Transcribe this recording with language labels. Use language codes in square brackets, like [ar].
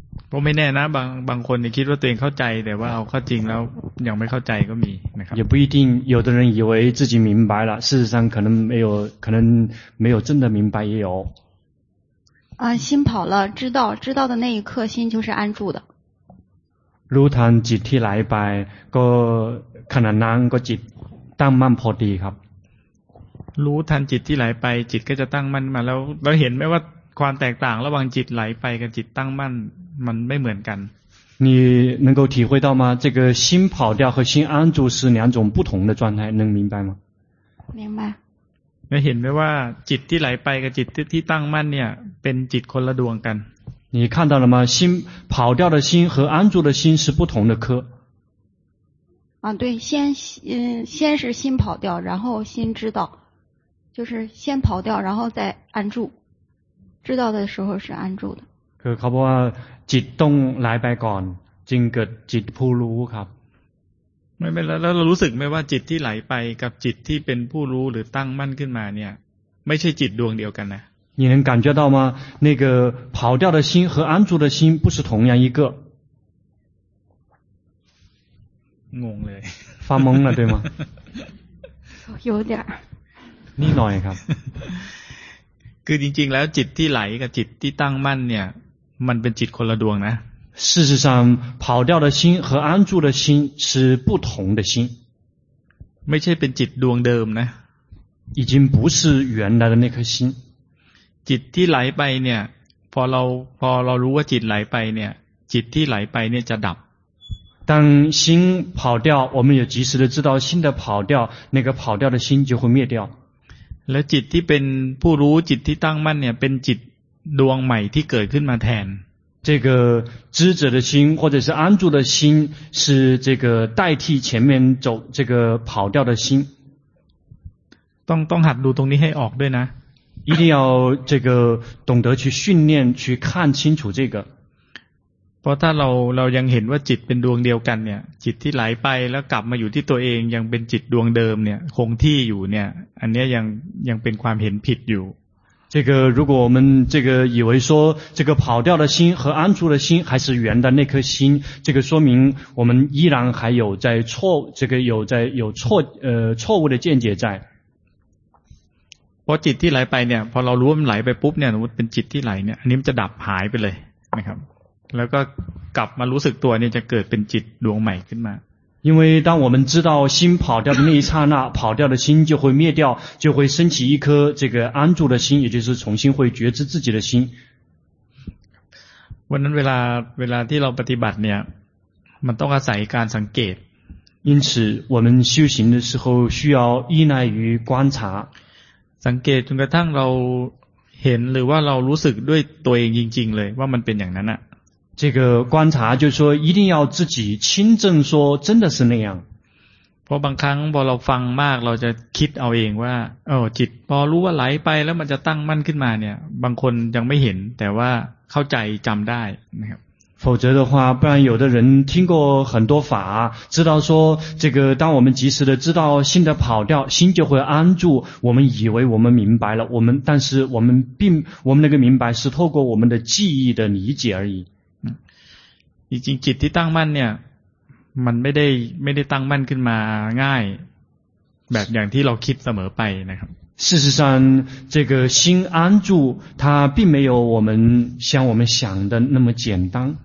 [zh] 我没 [th] แน่นะ บางคนคิดว่าตัวเองเข้าใจแต่ว่าเอาเข้าจริงแล้วยังไม่เข้าใจก็มีนะครับ [zh] 也不一定有的人以为自己明白了事实上可能没有真的明白也有啊，心跑了知道的那一刻心就是安住的 [th] รู้ทันจิตที่ไหลไปก็ขณะนั้นก็จิตตั้งมั่นพอดีครับ รู้ทันจิตที่ไหลไปจิตก็จะตั้งมั่นมาแล้วเราเห็นไหมว่าความแตกต่างระหว่างจิตไหลไปกับจิตตั้งมั่นมันไม่เหมือนกัน [zh] 你能够体会到吗这个心跑掉和心安住是两种不同的状态能明白吗明白 [th] 那เห็นไหมว่าจิตที่ไหลไปกับจิตที่ตั้งมั่นเนี่ยเป็นจิตคนละดวงกัน [zh] 你看到了吗心跑掉的心和安住的心是不同的科啊对先是心跑掉然后心知道就是先跑掉然后再安住知道的时候是安住的 [th] คือเขาบอกว่าจิตต้องไหลไปก่อนจึงเกิดจิตผู้รู้ครับ ไม่ไม่แล้วเรารู้สึกไหมว่าจิตที่ไหลไปกับจิตที่เป็นผู้รู้หรือตั้งมั่นขึ้นมาเนี่ยไม่ใช่จิตดวงเดียวกันนะ [zh] 你能感觉到吗那个跑掉的心和安住的心不是同样一个 [th] งงเลย [zh] 发懵了对吗有点 [th] นี่หน่อยครับ คือจริงๆแล้วจิตที่ไหลกับจิตที่ตั้งมั่นเนี่ยมันเป็นจิตคนละดวงนะ [zh] 事实上跑掉的心和安住的心是不同的心 [th] ไม่ใช่เป็นจิตดวงเดิมนะ [zh] 已经不是原来的那颗心 [th] จิตที่ไหลไปเนี่ยพอเรารู้ว่าจิตไหลไปเนี่ยจิตที่ไหลไปเนี่ยจะดับ [zh] 当心跑掉我们也及时的知道心的跑掉那个跑掉的心就会灭掉 [th] แล้วจิตที่เป็นผู้รู้จิตที่ตั้งมั่นเนี่ยเป็นจิตดวงใหม่ที่เกิดขึ้นมาแทน [zh] 这个知者的心或者是安住的心是这个代替前面走这个跑掉的心 [th] ต้องหัดดูตรงนี้ให้ออกด้วยนะ [zh] 一定要这个懂得去训练去看清楚这个 [th] เพราะถ้าเรายังเห็นว่าจิตเป็นดวงเดียวกันเนี่ยจิตที่ไหลไปแล้วกลับมาอยู่ที่ตัวเองยังเป็นจิตดวงเดิมเนี่ยคงที่อยู่เนี่ยอันนี้ยังเป็นความเห็นผิดอยู่ [zh] 这个如果我们这个以为说这个跑掉的心和安住的心还是圆的那颗心这个说明我们依然还有在错这个有在有错错误的见解在 [th] พอจิตที่ไหลไปเนี่ยพอเรารู้ว่ามันไหลไปปุ๊บเนี่ยเป็นจิตที่ไหลเนี่ยอันนี้มันจะดับหายไปเลยนะครับแล้วก็กลับมารู้สึกตัวเนี่ยจะเกิดเป็นจิตดวงใหม่ขึ้นมา [zh] 因为当我们知道心跑掉的那一刹那跑掉的心就会灭掉就会升起一颗这个安住的心也就是重新会觉知自己的心 [th] วันนั้นเวลาที่เราปฏิบัติเนี่ยมันต้องอาศัยการสังเกต [zh] 因此我们修行的时候需要依赖于观察 [th] สังเกตจนกระทั่งเราเห็นหรือว่าเรารู้สึกด้วยตัวเองจริงๆเลยว่ามันเป็นอย่างนั้นอะ [zh] 这个观察就是说一定要自己亲证说真的是那样 [th] เพราะบางครั้งพอเราฟังมากเราจะคิดเอาเองว่าเออจิตพอรู้ว่าไหลไปแล้วมันจะตั้งมั่นขึ้นมาเนี่ยบางคนยังไม่เห็นแต่ว่าเข้าใจจำได้นะครับ [zh] 否则的话不然有的人听过很多法知道说这个当我们及时的知道心的跑掉心就会安住我们以为我们明白了我们但是我们那个明白是透过我们的记忆的理解而已 [th] จริงจิตที่ตั้งมั่นเนี่ยมันไม่ได้ตั้งมั่นขึ้นมาง่ายแบบอย่างที่เราคิดเสมอไปนะครับ [zh] 事实上这个心安住它并没有我们像我们想的那么简单